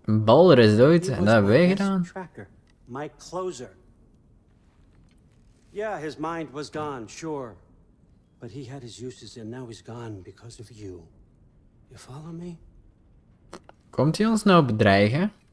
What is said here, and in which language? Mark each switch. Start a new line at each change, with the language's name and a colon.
Dutch: Balder is dood, en dat hebben wij gedaan.
English: Tracker, my closer. Yeah, his mind was gone, sure. But he had his uses, and now he's gone because of you. You follow me?
Dutch: Komt hij ons nou bedreigen?